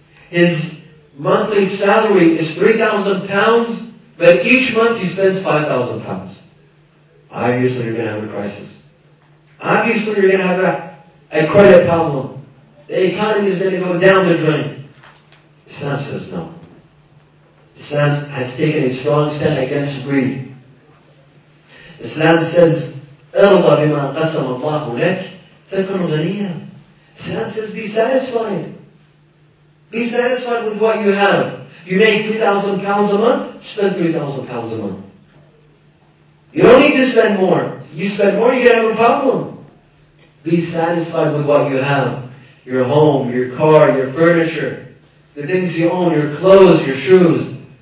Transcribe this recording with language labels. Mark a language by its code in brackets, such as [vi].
[en] His monthly salary is £3,000, but each month he spends £5,000. Obviously, you're going to have a crisis. Obviously, you're going to have a credit problem. The economy is going to go down the drain. Islam says no. Islam has taken a strong stand against greed. Islam says, [ar] اَرْضَ بِمَا قَسَمَ اللَّهُ لَكَ تَكُنُ غَنِيًا. [en] Islam says, be satisfied. Be satisfied with what you have. You make £3,000 a month, spend £3,000 a month. You don't need to spend more. You spend more, you're going to have a problem. Be satisfied with what you have. Your home, your car, your furniture, the things you own, your clothes, your shoes.